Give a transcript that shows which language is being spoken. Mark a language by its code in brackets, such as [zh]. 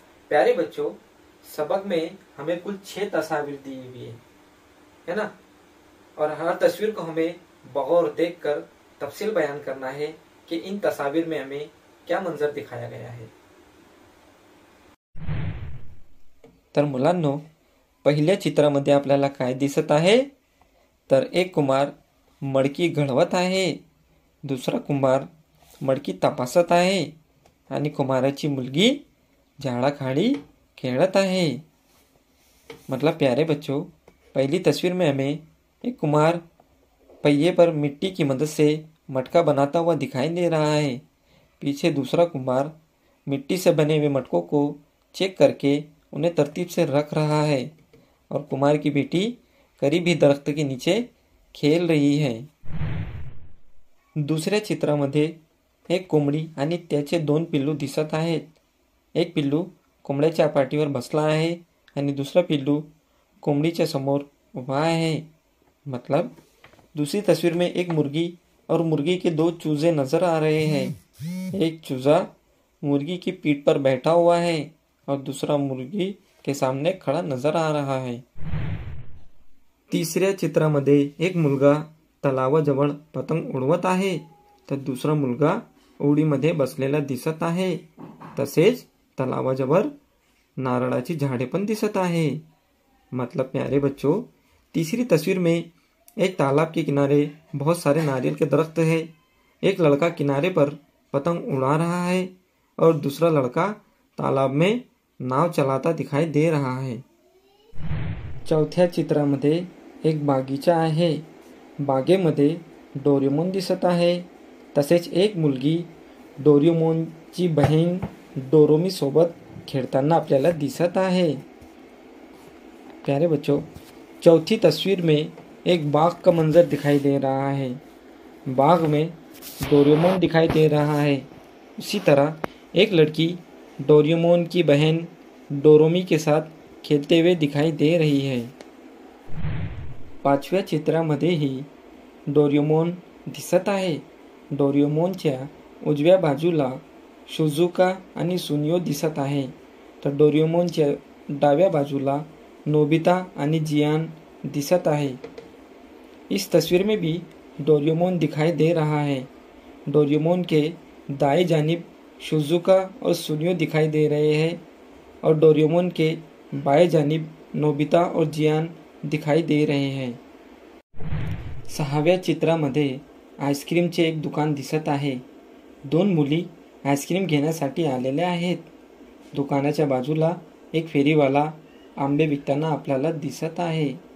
[hi] प्यारे बच्चों, सबक में हमें कुल 6 तस्वीर दी हुई है ना, और हर तस्वीर को हमें बगौर देख कर तफसील बयान करना है कि इन तस्वीर में हमें क्या मंजर दिखाया गया है। [mr] तर मुलांनो, पहिल्या चित्रामध्ये आपल्याला काय दिसत आहे? तर एक कुमार मडकी घडवत आहे, दुसरा कुमार मडकी तपासत आहे आणि कुमाराची मुलगी झाडाखाली खेळत आहे। [hi] मतलब प्यारे बच्चों, पहिली तस्वीर में हमें एक कुमार पहिए पर मिट्टी की मदद से मटका बनाता हुआ दिखाई दे रहा है। पीछे दूसरा कुमार मिट्टी से बने हुए मटकों को चेक करके उन्हें तरतीब से रख रहा है और कुमार की बेटी करीबी दरख्त के नीचे खेल रही है। [mr] दूसरे चित्रामध्ये एक कोंबडी आणि त्याचे 2 पिल्लू दिसत आहेत। एक पिल्लू कोंबड्याच्या पाठीवर बसला आहे आणि दुसरा पिल्लू कोंबडीच्या समोर उभा आहे। [hi] मतलब दूसरी तस्वीर में एक मुर्गी और मुर्गी के 2 चूजे नजर आ रहे हैं। एक चूजा मुर्गी की पीठ पर बैठा हुआ है और दूसरा मुर्गी के सामने खड़ा नजर आ रहा है। [mr] तीसरे चित्रामध्ये एक मुलगा तलावाजवळ पतंग उडवत आहे, तर दूसरा मुलगा ओढीमध्ये बसलेला दिसत आहे। तसेच तलावाजवळ नारळाची झाडे पण दिसत आहे। [hi] मतलब प्यारे बच्चों, तीसरी तस्वीर में एक तालाब के किनारे बहुत सारे नारियल के दरख्त है। एक लड़का किनारे पर पतंग उड़ा रहा है और दूसरा लड़का तालाब में नाव चलाता दिखाई दे रहा है। [mr] चौथ्या चित्रामध्ये एक बागीचा आहे। बागेमध्ये डोरेमोन दिसत आहे, तसेच एक मुलगी डोरेमोनची बहीण डोरोमी सोबत खेळताना आपल्याला दिसत आहे। [hi] प्यारे बच्चों, चौथी तस्वीर में एक बाग का मंजर दिखाई दे रहा है। बाग में डोरेमोन दिखाई दे रहा है। उसी तरह एक लड़की डोरेमोन की बहन डोरोमी के साथ खेलते हुए दिखाई दे रही है। [mr] पांचव्या चित्रामध्ये ही डोरेमोन दिसत आहे। डोरेमोनच्या उजव्या बाजूला शुजुका आणि सुनियो दिसत आहे, तर डोरेमोनच्या डाव्या बाजूला नोबिता आणि जियान दिसत आहे। [hi] इस तस्वीर में भी डोरेमोन दिखाई दे रहा है। डोरेमोन के दाएं जानिब शुजुका और सुनियो दिखाई दे रहे हैं और डोरेमोन के बाएं जानिब नोबिता और जियान दिखाई दे रहे हैं। [mr] सहाव्या चित्रामध्ये आइसक्रीमचे एक दुकान दिसत आहे। 2 मुली आइसक्रीम घेण्यासाठी आलेल्या आहेत। दुकानाच्या बाजूला एक फेरीवाला आंबे विकताना आपल्याला दिसत आहे।